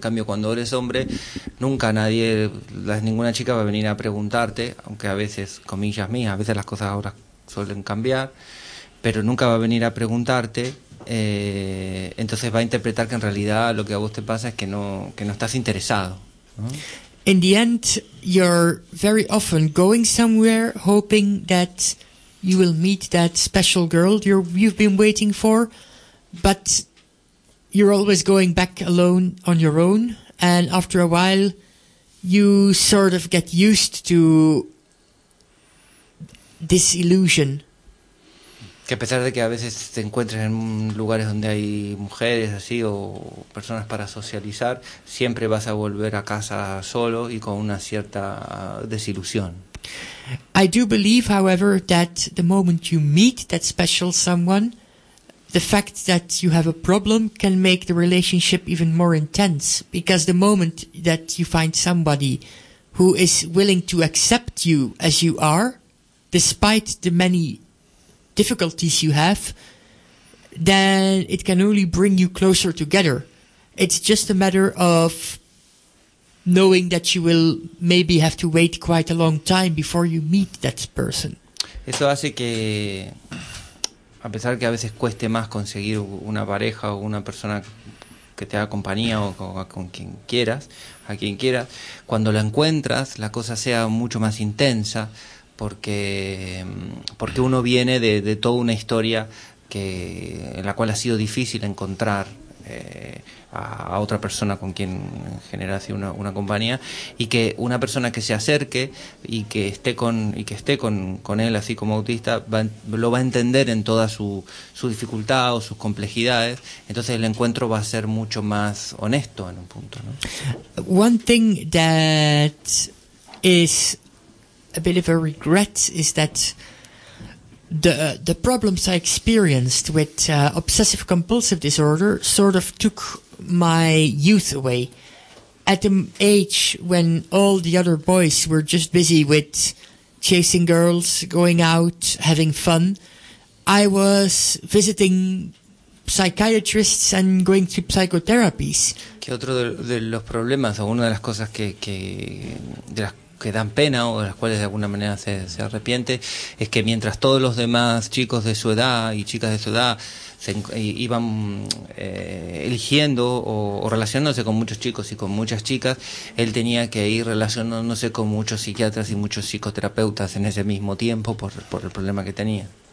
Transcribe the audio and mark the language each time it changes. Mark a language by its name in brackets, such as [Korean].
[Spanish] En cambio, cuando eres hombre, nunca nadie, ninguna chica va a venir a preguntarte, aunque a veces, comillas mías, a veces las cosas ahora suelen cambiar, pero nunca va a venir a preguntarte, entonces va a interpretar que en realidad lo que a vos te pasa es que no estás interesado, ¿no? [English] In the end, you're very often going somewhere hoping that you will meet that special girl you've been waiting for, but you're always going back alone on your own, and after a while you sort of get used to this illusion. [Spanish] Que a pesar de que a veces te encuentres en lugares donde hay mujeres así o personas para socializar, siempre vas a volver a casa solo y con una cierta desilusión. [English] I do believe, however, that the moment you meet that special someone, the fact that you have a problem can make the relationship even more intense. Because the moment that you find somebody who is willing to accept you as you are, despite the many difficulties you have, then it can only bring you closer together. It's just a matter of knowing that you will maybe have to wait quite a long time before you meet that person. [Spanish] Eso hace que, a pesar que a veces cueste más conseguir una pareja o una persona que te haga compañía o con quien quieras, a quien quieras, cuando la encuentras, la cosa sea mucho más intensa, porque uno viene de toda una historia que en la cual ha sido difícil encontrar a otra persona con quien generase una compañía, y que una persona que se acerque y que esté con él así como autista lo va a entender en toda su dificultad o sus complejidades, entonces el encuentro va a ser mucho más honesto en un punto, ¿no? [English] One thing that is a bit of a regret is that the problems I experienced with obsessive compulsive disorder sort of took my youth away. At the age when all the other boys were just busy with chasing girls, going out, having fun, I was visiting psychiatrists and going to psychotherapies. [Spanish] Que otro de los problemas o una de las cosas que de las que dan pena o de las cuales de alguna manera se arrepiente es que mientras todos los demás chicos de su edad y chicas de su edad iban eligiendo o relacionándose con muchos chicos y con muchas chicas, él tenía que ir relacionándose con muchos psiquiatras y muchos psicoterapeutas en ese mismo tiempo por el problema que tenía.